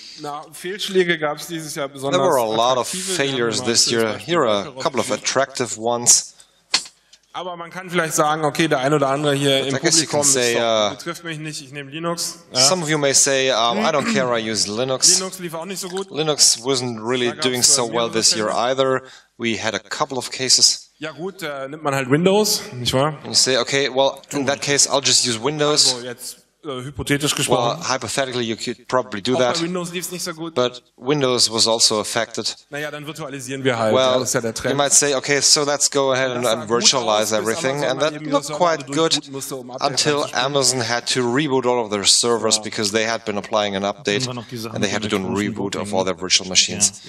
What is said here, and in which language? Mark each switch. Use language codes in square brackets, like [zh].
[en] There were a lot of failures this year. Here are a couple of attractive ones. [de] Aber man kann vielleicht sagen, okay, der ein oder andere hier im Publikum betrifft mich nicht, ich nehme Linux. [en] Some of you may say, I don't care, I use Linux. [de] Linux lief auch nicht so gut. [en] Linux wasn't really doing so well this year either. We had a couple of cases. [de] Ja gut, nimmt man halt Windows, nicht wahr? [en] And you say, okay, well, in that case, I'll just use Windows. [de] Also jetzt hypothetisch gesprochen. [en] Well, hypothetically, you could probably do [de] auch [en] that. [de] Bei Windows lief's nicht so gut. [en] But Windows was also affected. [de] Naja, dann virtualisieren wir halt. Well, ja, das ist ja der Trend. [en] You might say, okay, so let's go ahead and virtualize everything. And that looked quite good until Amazon had to reboot all of their servers because they had been applying an update and they had to do a reboot of all their virtual machines.